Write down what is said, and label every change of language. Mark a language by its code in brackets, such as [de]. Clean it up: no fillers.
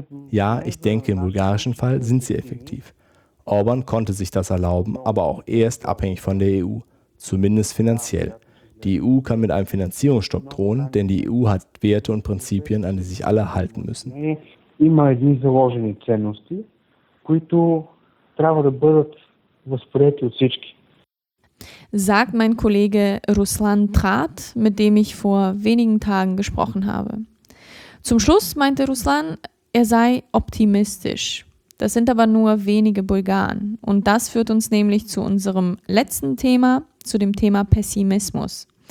[de] Ja, ich denke, im bulgarischen Fall sind sie effektiv. Orban konnte sich das erlauben, aber auch erst abhängig von der EU, zumindest finanziell. Die EU kann mit einem Finanzierungsstopp drohen, denn die EU hat Werte und Prinzipien, an die sich alle halten müssen. [bg] Има едни заложени ценности, които трябва да бъдат възприети от всички. [de] Sagt mein Kollege Ruslan Trat, mit dem ich vor wenigen Tagen gesprochen habe. Zum Schluss meinte Ruslan, er sei optimistisch. Das sind aber nur wenige Bulgaren. Und das führt uns nämlich zu unserem letzten Thema, zu dem Thema Pessimismus.